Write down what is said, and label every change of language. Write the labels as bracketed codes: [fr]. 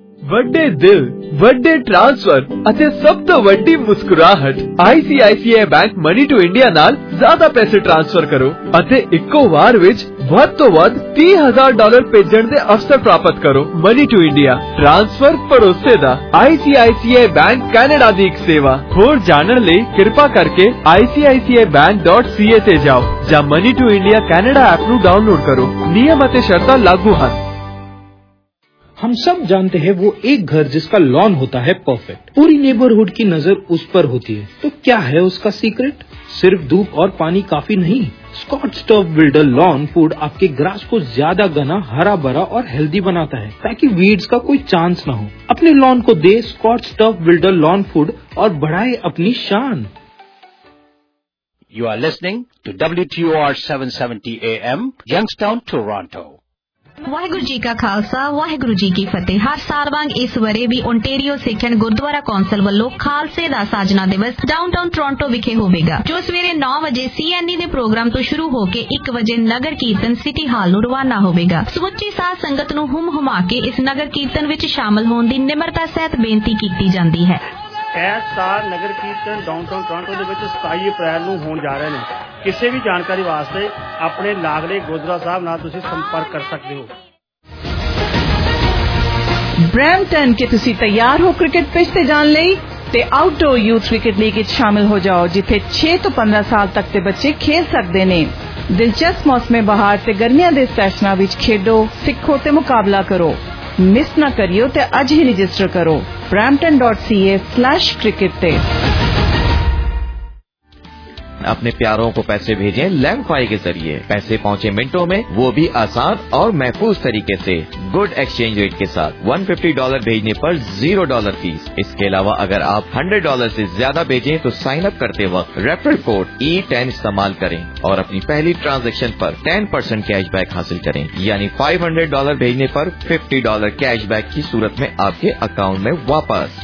[pa] ਵੱਡੇ ਦਿਲ, ਵੱਡੇ ਟ੍ਰਾਂਸਫਰ ਅਤੇ ਸਭ ਤੋਂ ਵੱਡੀ ਮੁਸਕੁਰਾਹਟ, ICICI bank money to India ਨਾਲ ਜ਼ਿਆਦਾ ਪੈਸੇ ਟ੍ਰਾਂਸਫਰ ਕਰੋ ਅਤੇ ਇੱਕੋ ਵਾਰ ਵਿੱਚ ਵੱਧ ਤੋਂ ਵੱਧ $30,000 ਭੇਜਣ ਦੇ ਅਵਸਰ ਪ੍ਰਾਪਤ ਕਰੋ। ਮਨੀ ਟੂ ਇੰਡੀਆ, ਟ੍ਰਾਂਸਫਰ ਭਰੋਸੇ ਦਾ, ICICI ਬੈਂਕ ਕੈਨੇਡਾ ਦੀ ਇੱਕ ਸੇਵਾ। ਹੋਰ ਜਾਣਨ ਲਈ ਕਿਰਪਾ ਕਰਕੇ ICICIBank.ca ਤੇ ਜਾਓ ਜਾਂ money to India Canada app ਨੂੰ ਡਾਊਨਲੋਡ ਕਰੋ। ਨਿਯਮ ਅਤੇ ਸ਼ਰਤਾਂ ਲਾਗੂ ਹਨ। [hi] हम सब जानते हैं वो एक घर जिसका लॉन होता है परफेक्ट, पूरी नेबरहुड की नज़र उस पर होती है, तो क्या है उसका सीक्रेट? सिर्फ धूप और पानी काफी नहीं, स्कॉट्स टर्व बिल्डर लॉन फूड आपके ग्रास को ज्यादा घना, हरा भरा और हेल्दी बनाता है ताकि वीड्स का कोई चांस ना हो। अपने लॉन को दे स्कॉट्स टर्व बिल्डर लॉन फूड और बढ़ाए अपनी शान। [en] You are listening to WTOR 770 AM, Youngstown Toronto. [pa] Waheguru ji ਕਾ ਖਾਲਸਾ, ਵਾਹਿਗੁਰੂ ਜੀ ਕੀ ਫਤਿਹ। ਹਰ ਸਾਲ ਵਾਂਗ ਇਸ ਵਰੇ ਵੀ ਓਨਟੇਰੀਓ ਸਿੱਖਣ ਗੁਰਦੁਆਰਾ ਕੌਂਸਲ ਵੱਲੋਂ ਖਾਲਸੇ ਦਾ ਸਾਜਨਾ ਦਿਵਸ ਡਾਊਨਟਾਊਨ ਟੋਰਾਂਟੋ ਵਿਖੇ ਹੋਵੇਗਾ, ਜੋ ਸਵੇਰੇ 9 ਵਜੇ CNE ਦੇ ਪ੍ਰੋਗਰਾਮ ਤੋਂ ਸ਼ੁਰੂ ਹੋ ਕੇ 1 ਵਜੇ ਨਗਰ ਕੀਰਤਨ ਸਿਟੀ ਹਾਲ ਨੂੰ ਰਵਾਨਾ ਹੋਵੇਗਾ। ਸਮੁੱਚੀ ਸਾਧ ਸੰਗਤ ਨੂੰ ਹੁਮ ਹੁਮਾ ਕੇ ਇਸ ਨਗਰ ਕੀਰਤਨ ਵਿੱਚ ਸ਼ਾਮਲ ਹੋਣ ਦੀ ਨਿਮਰਤਾ ਸਹਿਤ ਬੇਨਤੀ ਕੀਤੀ ਜਾਂਦੀ ਹੈ। ਇਸ ਸਾਲ ਨਗਰ ਕੀਰਤਨ ਡਾਊਨਟਾਊਨ ਟੋਰਾਂਟੋ ਦੇ ਵਿੱਚ 27 ਅਪ੍ਰੈਲ ਨੂੰ ਹੋਣ ਜਾ ਰਹੇ ਨੇ। ਕਿਸੇ ਵੀ ਜਾਣਕਾਰੀ ਵਾਸਤੇ ਆਪਣੇ ਲਾਗਲੇ ਗੁਰਦੁਆਰਾ ਸਾਹਿਬ ਨਾਲ ਤੁਸੀਂ ਸੰਪਰਕ ਕਰ ਸਕਦੇ ਹੋ। ਬ੍ਰੈਮਟਨ, ਕਿ ਤੁਸੀਂ ਤਿਆਰ ਹੋ ਕ੍ਰਿਕਟ ਪਿੱਚ ਤੇ ਜਾਣ ਲਈ ਤੇ ਆਊਟਡੋਰ ਯੂਥ ਕ੍ਰਿਕਟ ਲੀਗ ਵਿੱਚ ਸ਼ਾਮਿਲ ਹੋ ਜਾਓ, ਜਿੱਥੇ 6 ਤੋਂ 15 ਸਾਲ ਤੱਕ ਦੇ ਬੱਚੇ ਖੇਡ ਸਕਦੇ ਨੇ। ਦਿਲਚਸਪ ਮੌਸਮੇ ਬਹਾਰ ਤੇ ਗਰਮੀਆਂ ਦੇ ਸੈਸ਼ਨਾਂ ਵਿੱਚ ਖੇਡੋ, ਸਿੱਖੋ ਤੇ ਮੁਕਾਬਲਾ ਕਰੋ। ਮਿਸ ਨਾ ਕਰਿਓ ਤੇ ਅੱਜ ਹੀ ਰਜਿਸਟਰ ਕਰੋ brampton.ca/cricket ਤੇ। [hi] अपने प्यारों को पैसे भेजें लैंपफाई के जरिए, पैसे पहुंचे मिनटों में, वो भी आसान और महफूज तरीके से, गुड एक्सचेंज रेट के साथ। $150 भेजने पर $0 फीस। इसके अलावा अगर आप $100 से ज्यादा भेजें तो साइन अप करते वक्त रेफरल कोड E10 इस्तेमाल करें और अपनी पहली ट्रांजैक्शन पर 10% कैश बैक हासिल करें, यानी $500 भेजने पर $50 कैश बैक की सूरत में आपके अकाउंट में वापस।